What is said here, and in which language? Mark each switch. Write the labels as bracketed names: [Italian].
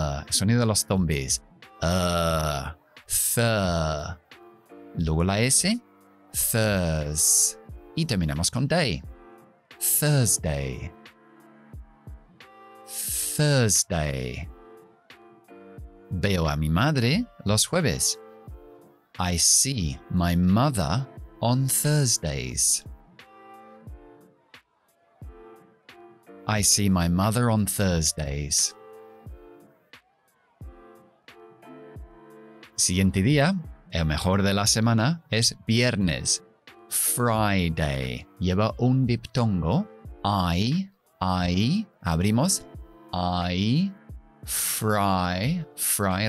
[Spanish] Sonido de los zombies. Th. Luego la S. Thurs. Y terminamos con day. Thursday. [English] Thursday. [Spanish] Veo a mi madre los jueves. [English] I see my mother on Thursdays. I see my mother on Thursdays. [Spanish] Siguiente día, el mejor de la semana, es viernes. Friday. Lleva un diptongo. I. Abrimos. I. [English] Fry. Fry.